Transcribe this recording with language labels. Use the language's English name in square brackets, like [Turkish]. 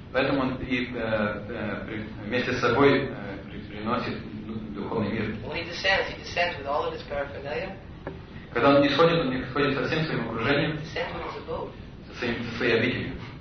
[Russian] Поэтому он и вместе с собой приносит духовный мир. [English] When he descends with all of his paraphernalia. [Russian] Когда он не сходит со всем своим окружением, со своей обителью.